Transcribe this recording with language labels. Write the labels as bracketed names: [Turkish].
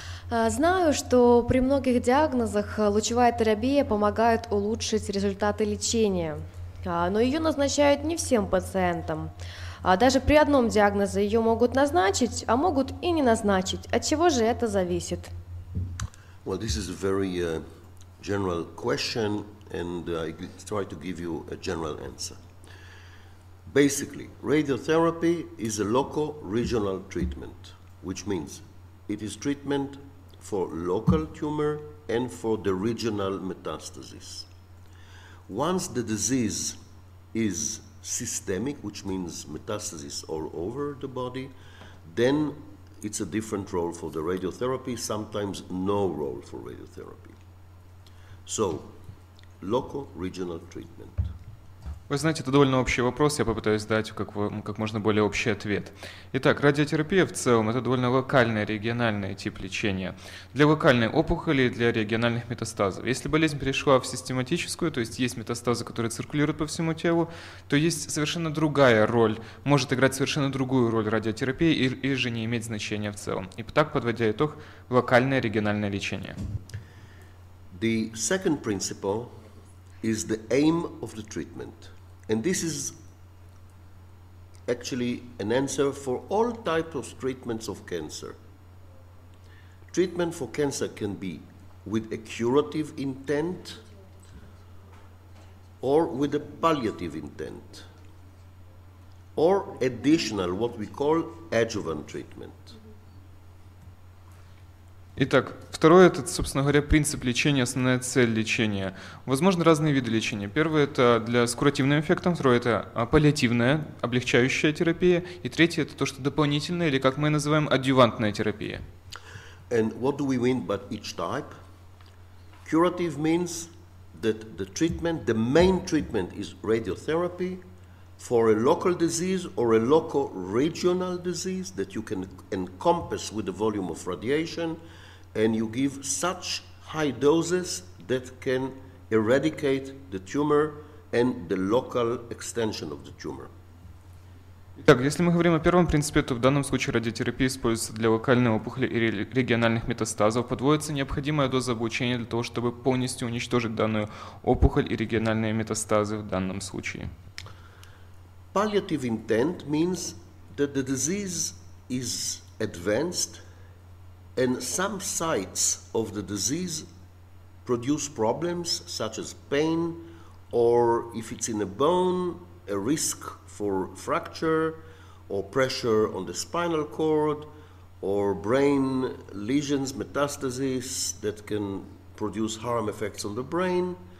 [Russian] Знаю, что при многих диагнозах лучевая терапия помогает улучшить результаты лечения, но ее назначают не всем пациентам. Даже при одном диагнозе ее могут назначить, а могут и не назначить. От чего же это зависит? [English] Well, this is a very general question, and I try to give you a general answer. Basically, radiotherapy is a local regional treatment, which means it is treatment for local tumor and for the regional metastasis. Once the disease is systemic, which means metastasis all over the body, then it's a different role for the radiotherapy, sometimes no role for radiotherapy. So, local regional treatment. [Russian] Вы знаете, это довольно общий вопрос, я попытаюсь дать как можно более общий ответ. Итак, радиотерапия в целом – это довольно локальный, региональный тип лечения. Для локальной опухоли и для региональных метастазов. Если болезнь перешла в систематическую, то есть метастазы, которые циркулируют по всему телу, то есть совершенно другая роль, может играть совершенно другую роль радиотерапии или же не иметь значения в целом. И так, подводя итог, локальное, региональное лечение. [English] The second principle – is the aim of the treatment. And this is actually an answer for all types of treatments of cancer. Treatment for cancer can be with a curative intent or with a palliative intent or additional, what we call adjuvant treatment. [Russian] Итак, второе – это, собственно говоря, принцип лечения, основная цель лечения. Возможно, разные виды лечения. Первое – это для с куративным эффектом, второе – это паллиативная, облегчающая терапия, и третье – это то, что дополнительная, или как мы называем, адъювантная терапия. [English] And what do we mean by each type? Curative means that the treatment, the main treatment is radiotherapy for a local disease or a local regional disease that you can encompass with the volume of radiation, and you give such high doses that can eradicate the tumor and the local extension of the tumor. [Russian] Итак, если мы говорим о первом принципе, то в данном случае радиотерапия используется для локальной опухоли и региональных метастазов. Подводится необходимая доза облучения для того, чтобы полностью уничтожить данную опухоль и региональные метастазы в данном случае. [English] Palliative intent means that the disease is advanced, and some sites of the disease produce problems, such as pain, or if it's in a bone, a risk for fracture, or pressure on the spinal cord, or brain lesions, metastasis that can produce harm effects on the brain.